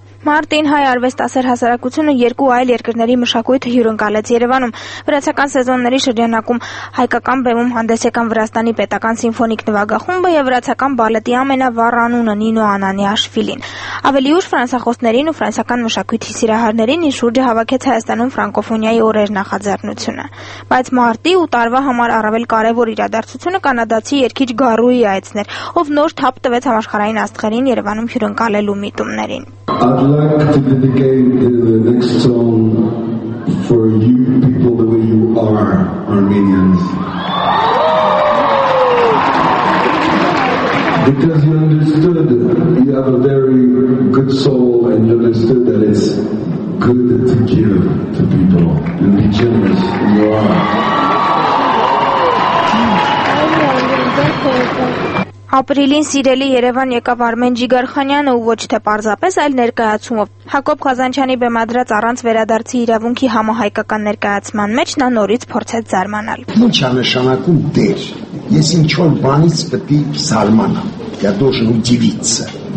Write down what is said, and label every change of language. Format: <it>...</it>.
<hy>Մարտին հայ արվեստասեր հասարակությունը երկու այլ երկրների մշակույթը հյուրընկալեց Երևանում։ Վրացական սեզոնների շրջանակում հայկական բեմում հանդես եկան Վրաստանի պետական սիմֆոնիկ նվագախումբը եւ վրացական բալետի ամենավառ անունը Նինո Անանիաշվիլին։ Ավելի ուշ ֆրանսախոսներին ու ֆրանսական մշակույթի սիրահարներին ի շուրջը հավաքեց Հայաստանում ֆրանկոֆոնիայի օրեր նախաձեռնությունը։ Բայց մարտի ու տարվա համար առավել կարևոր իրադարձությունը կանադացի երգիչ Գարուի այցներ, ով նոր թափ տվեց համաշխարհային աստղերին Երևանում հյուրընկալելու միտումներին։</hy> <en>I'd like to dedicate the next song for you people the way you are, Armenians. Because you understood, you have a very good soul, and you understood that it's good to give to people and be generous, and you are.</en> <hy>Ապրիլին սիրելի Երևան եկավ Արմեն Ջիգարխանյանը ու ոչ թե պարզապես, այլ ներկայացումով։ Հակոբ Խազանչյանի բեմադրած առանց վերադարձի իրավունքի համահայկական ներկայացման մեջ նա նորից փորձեց զարմանալ. Ինչ է նշանակում դեր։ Ես ինչո՞ւ բանից պետք զարմանամ։</hy> <ru>Я должен удивиться.</ru>